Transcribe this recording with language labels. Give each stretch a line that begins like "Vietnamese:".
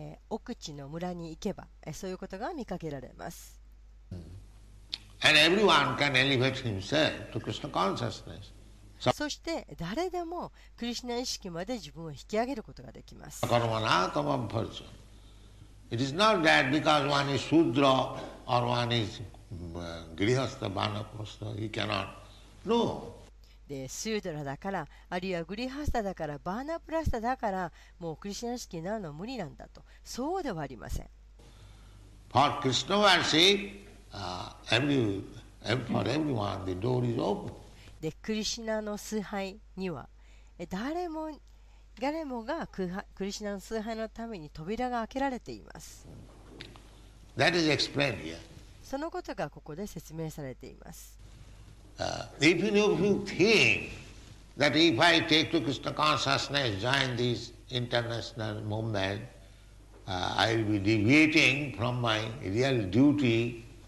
Japanese: 奥地の村に行けば、そういうことが見かけられます。
English: And everyone can elevate himself to Krishna consciousness.
Japanese: そして誰でもクリシナ意識まで自分を引き上げることができます。
English: It is not that because one is Shudra or one is Grihastha Vanaprastha, he cannot. No.
Japanese: でスードラだから、あるいはグリハスタだから、バーナプラスタだから、もうクリシナ式になるのは無理なんだと、そうではありません。
English: For Krishna worship, for everyone, the door is open.
Japanese: で、クリシナの崇拝には、誰もがクリシナの崇拝のために扉が開けられています。
English: That is explained here.
Japanese: そのことがここで説明されています。
English: Even if you think that if I take to Krishna consciousness, join this international movement, I will be deviating from my real duty.